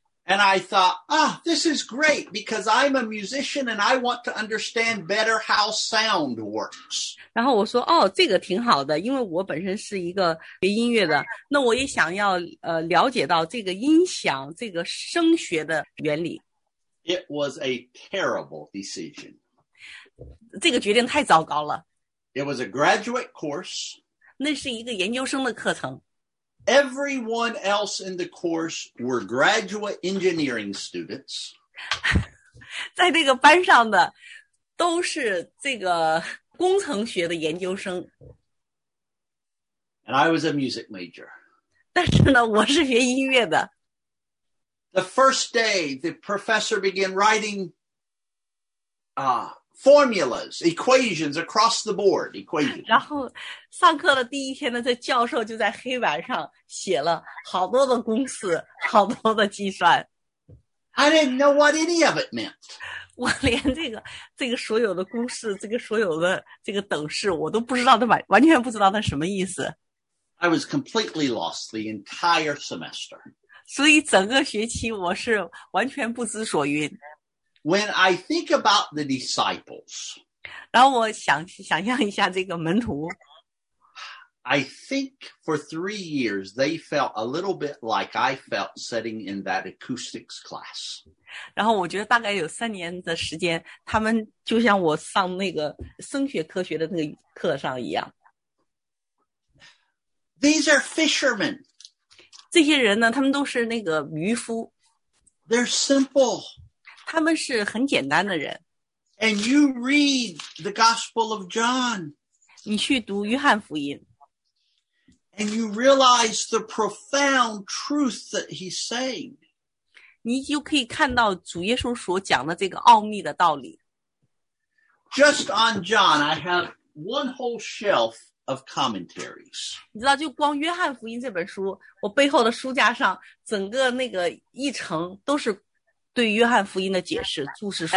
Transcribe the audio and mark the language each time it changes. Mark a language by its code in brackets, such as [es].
[en] And I thought, ah, this is great because I'm a musician and I want to understand better how sound works. [zh] 然后我说，哦，这个挺好的，因为我本身是一个学音乐的，那我也想要了解到这个音响这个声学的原理。 [en] It was a terrible decision. [zh] 这个决定太糟糕了。 [en] It was a graduate course. [zh] 那是一个研究生的课程。 [en] Everyone else in the course were graduate engineering students. [zh] 在那个班上的都是这个工程学的研究生。 [en] And I was a music major. [zh] 但是呢，我是学音乐的。 [en] The first day, the professor began writing formulas, equations across the board, equations. [zh] 然后上课的第一天呢，这教授就在黑板上写了好多的公式，好多的计算。 [en] I didn't know what any of it meant. [zh] 我连这个所有的公式，这个所有的这个等式，我都不知道它完全不知道它什么意思。 [en] I was completely lost the entire semester. [zh] 所以整个学期我是完全不知所云。 [en] When I think about the disciples, [zh] 然后我想象一下这个门徒。 [en] I think for 3 years they felt a little bit like I felt sitting in that acoustics class. [zh] 然后我觉得大概有3年的时间，他们就像我上那个声学科学的那个课上一样。 [en] These are fishermen. [zh] 这些人呢，他们都是那个渔夫。 [en] They're simple. [zh] 他们是很简单的人。 [en] And you read the Gospel of John. [zh] 你去读约翰福音。 [en] And you realize the profound truth that he's saying. [zh] 你就可以看到主耶稣所讲的这个奥秘的道理。 [en] Just on John, I have one whole shelf of commentaries. [zh] 你知道，就光约翰福音这本书，我背后的书架上，整个那个一层都是对约翰福音的解释，注释书。